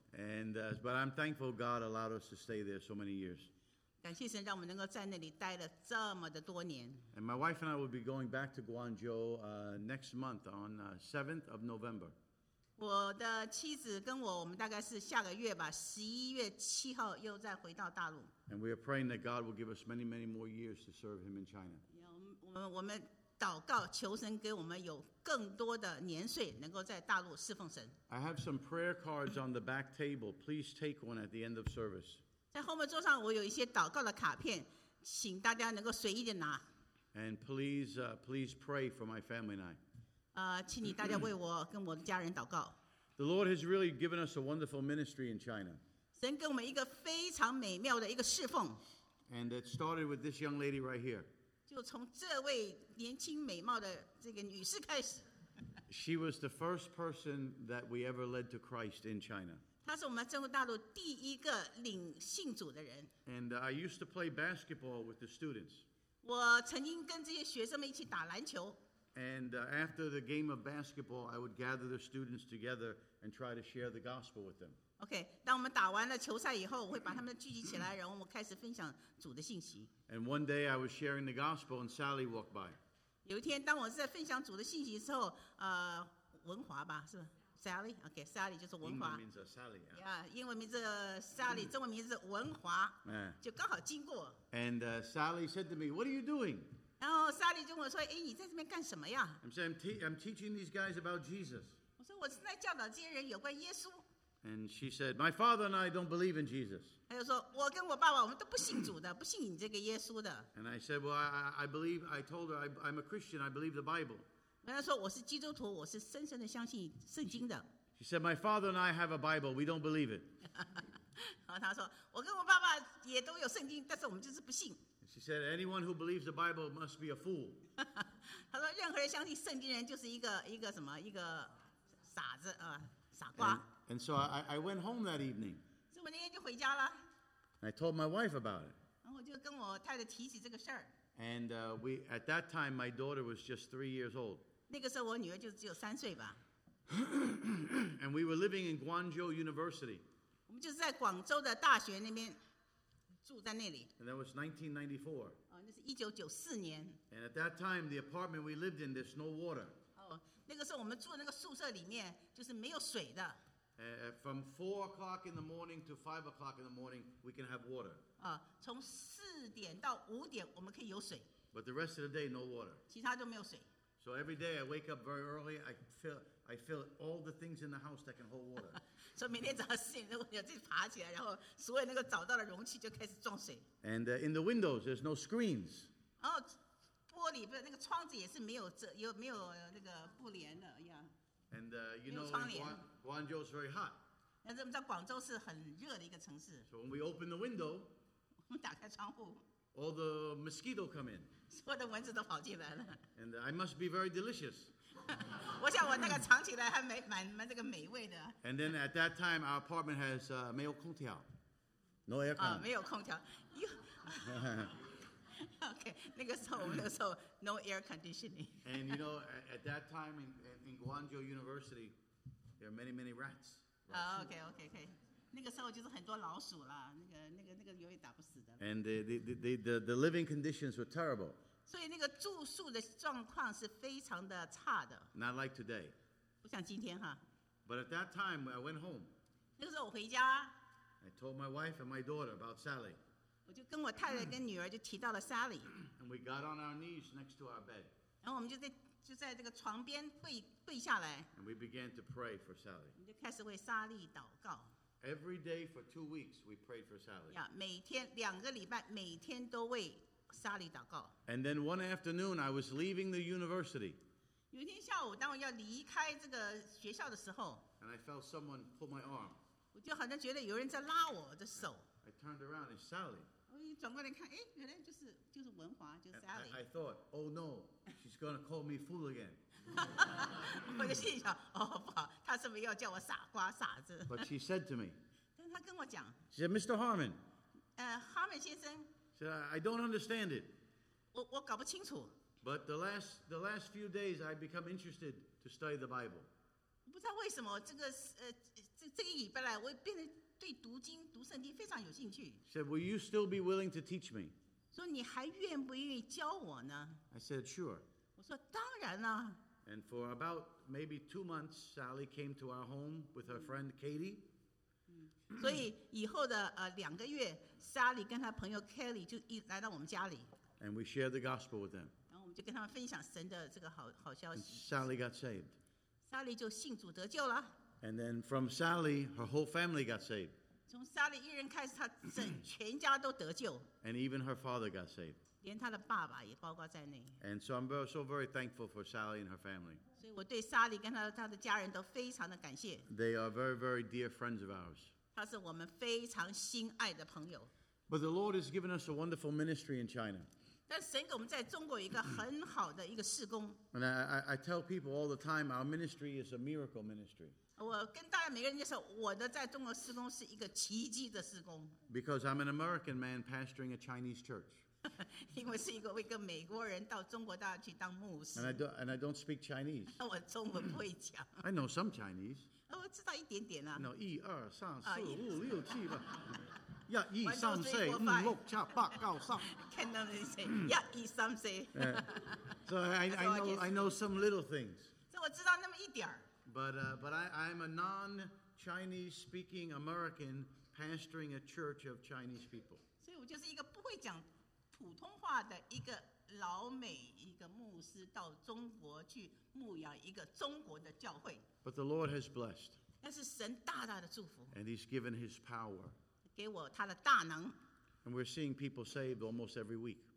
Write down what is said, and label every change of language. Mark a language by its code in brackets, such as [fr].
[en] And but I'm thankful God allowed us to stay there so many years. [zh] 感谢神让我们能够在那里待了这么的多年。 [en] And my wife and I will be going back to Guangzhou next month on 7th of November. [zh] 我的妻子跟我，我们大概是下个月吧，11月7号又再回到大陆。 [en] And we are praying that God will give us many, many more years to serve Him in China. [zh] 我们祷告求神给我们有更多的年岁，能够在大陆侍奉神。 [en] I have some prayer cards on the back table. Please take one at the end of service. [zh] 在后面桌上我有一些祷告的卡片，请大家能够随意的拿。 [en] And please, please pray for my family and I. [zh] 请你大家为我跟我的家人祷告。 [en] The Lord has really given us a wonderful ministry in China. [zh] 神给我们一个非常美妙的一个侍奉。 [en] And it started with this young lady right here. [zh] 就从这位年轻美貌的这个女士开始。 [en] She was the first person that we ever led to Christ in China. [zh] 她是我们中国大陆第一个领信主的人。 [en] And I used to play basketball with the students. [zh] 我曾经跟这些学生们一起打篮球。 [en] And after the game of basketball, I would gather the students together and try to share the gospel with them. [zh] Okay, 当我们打完了球赛以后，我会把他们聚集起来，然后我开始分享主的信息。 [en] And one day I was sharing the gospel and Sally walked by. [zh] 有一天，当我在分享主的信息的时候，文华吧，是吧 ？Sally, okay, Sally 就是文华。英文名字 Sally. Yeah, 英文名字 Sally, 中文名字文华。就刚好经过。 [en] And Sally said to me, "What are you doing?" [zh] 然后莎莉就跟我说：“哎，你在这边干什么呀 [en] ？”I'm teaching these guys about Jesus. [zh] 我说我是在教导这些人有关耶稣。 [en] And she said, "My father and I don't believe in Jesus." [zh] 他就说：“我跟我爸爸我们都不信主的，不信你这个耶稣的。 [en] ”And I said, "Well, I believe. I told her I'm a Christian. I believe the Bible." [zh] 我跟他说我是基督徒，我是深深的相信圣经的。 [en] She said, "My father and I have a Bible. We don't believe it." [zh] 然后他说我跟我爸爸也都有圣经，但是我们就是不信。 [en] She said, "Anyone who believes the Bible must be a fool." [zh] 他说，任何人相信圣经人就是一个什么一个傻子啊，傻瓜。 [en] And so I went home that evening. [zh] 所以我那天就回家了。 [en] I told my wife about it. [zh] 然后我就跟我太太提起这个事儿。 [en] And we at that time my daughter was just 3 years old. [zh] 那个时候我女儿就只有三岁吧。 [en] And we were living in Guangzhou University. [zh] 我们就是在广州的大学那边。住在那里。 [en] And that was 1994. [zh] 那是1994年。 [en] And at that time, the apartment we lived in, there's no water. [zh] 那个时候我们住的那个宿舍里面就是没有水的。 [en] From 4 o'clock in the morning to 5 o'clock in the morning, we can have water. [zh] 从4点到5点我们可以有水。 [en] But the rest of the day, no water. [zh] 其他都没有水。 [en] So every day I wake up very early, I fill all the things in the house that can hold water. [zh] So 每天早上四点钟我就爬起来，然后所有那个找到的容器就开始装水。 [en] And in the windows, there's no screens. [zh] 然后玻璃不是那个窗子也是没有那个布帘的呀。 [en] And you know, Guangzhou is very hot. [zh] 那我们知道广州是很热的一个城市。 [en] So when we open the window, [zh] 我们打开窗户。 [en] All the mosquito come in. [zh] 所有的蚊子都跑进来了。 [en] And I must be very delicious. [zh] 我想我那个藏起来还蛮这个美味的。 [en] And then at that time, our apartment has [zh] 没有空调 [en] ，no air con. [zh] 啊，没有空调。 Okay, 那个时候我们那个时候 [en] no air conditioning. And you know, at that time in Guangzhou University, there are many rats. Okay. [zh] 那个时候就是很多老鼠啦，那个永远打不死的。 [en] And the living conditions were terrible. [zh] 所以那个住宿的状况是非常的差的。 [en] Not like today. [zh] 不像今天哈。 [en] But at that time, I went home. [zh] 那个时候我回家。 [en] I told my wife and my daughter about Sally. [zh] 我就跟我太太跟女儿就提到了 Sally. [en] And we got on our knees next to our bed. [zh] 然后我们就在这个床边跪下来。 [en] And we began to pray for Sally. [zh] 就开始为莎莉祷告。 [en] Every day for 2 weeks, we prayed for Sally. [zh] Yeah, 每天两个礼拜，每天都为莎莉祷告。 [en] And then one afternoon, I was leaving the university. [zh] 有一天下午，当我要离开这个学校的时候 [en] ，And I felt someone pull my arm. [zh] 我就好像觉得有人在拉我的手。 [en] I turned around, it's Sally. [zh] 我一转过来看，哎，原来就是文华，就是 Sally. [en] I thought, oh no, she's gonna call me fool again. [zh] 我就心里想，哦不好，他是不是要叫我傻瓜傻子 [en] ？But she said to me. [zh] 但他跟我讲。 [en] She said, Mr. Harmon. [zh] Harmon 先生。 [en] She said, I don't understand it. [zh] 我搞不清楚。 [en] But the last few days, I become interested to study the Bible. [zh] 不知道为什么这个礼拜来，我变得对读经读圣经非常有兴趣。 [en] She said, Will you still be willing to teach me? [zh] 说你还愿不愿意教我呢 [en] ？I said, Sure. [zh] 我说当然了。 [en] And for about maybe 2 months, Sally came to our home with her friend Katie. [zh] 所以以后的两个月 ，Sally 跟她朋友 Kelly 就一来到我们家里。 [en] And we shared the gospel with them. [zh] 然后我们就跟他们分享神的这个好消息。 [en] And Sally got saved. [zh] Sally 就信主得救了。 [en] And then from Sally, her whole family got saved. [zh] 从 Sally 一人开始，她全家都得救。 [en] And even her father got saved. [zh] 连他的爸爸也包括在内。 [en] And so I'm so very thankful for Sally and her family. [zh] 所以我对莎莉跟他的家人都非常的感谢。 [en] They are very, very dear friends of ours. [zh] 他是我们非常心爱的朋友。 [en] But the Lord has given us a wonderful ministry in China. [zh] 但神给我们在中国一个很好的一个事工。 [en] And I tell people all the time, our ministry is a miracle ministry. [zh] 我跟大家每个人介绍，我的在中国事工是一个奇迹的事工。 [en] Because I'm an American man pastoring a Chinese church. [zh] 因为是一个为一个美国人到中国大陆去当牧师。 [en] And I don't speak Chinese. [zh] 我中文不会讲。 [en] I know some Chinese. [zh] 我知道一点点啊。 No, 一二三四五六七八，一二三四五六七八九十。 [en] Can't even say. [zh] 一二三四。 [en] So I know some little things. [zh] 所以我知道那么一点儿。 [en] But I'm a non-Chinese speaking American pastoring a church of Chinese people. [zh] 所以我就是一个不会讲。普通话的一个老美一个牧师到中国去牧养一个中国的教会。 [en] But the Lord has blessed. [zh] 那是神大大的祝福。 [en] And He's given His power. [zh] 给我他的大能。 [en] And we're seeing people saved almost every week.